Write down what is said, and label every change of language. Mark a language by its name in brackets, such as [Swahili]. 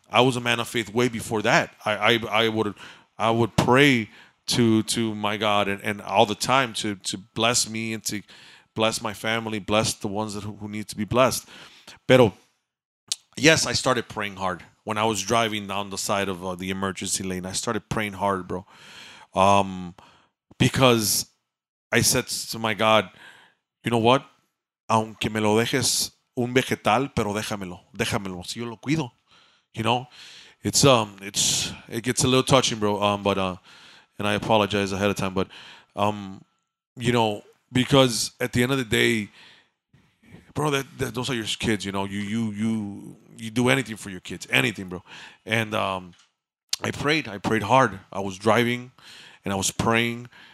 [English] I was a man of faith way before that. I would pray to my God and all the time to bless me and to bless my family, bless the ones who need to be blessed. Pero, yes, I started praying hard when I was driving down the side of the emergency lane. I started praying hard, bro, because I said to my God, you know what? [Spanish] Aunque me lo dejes un vegetal, pero déjamelo, si yo lo cuido. [English] You know, it gets a little touching, bro. And I apologize ahead of time, but, you know, because at the end of the day, bro, that those are your kids. You know, you do anything for your kids, anything, bro. And I prayed hard. I was driving, and I was praying.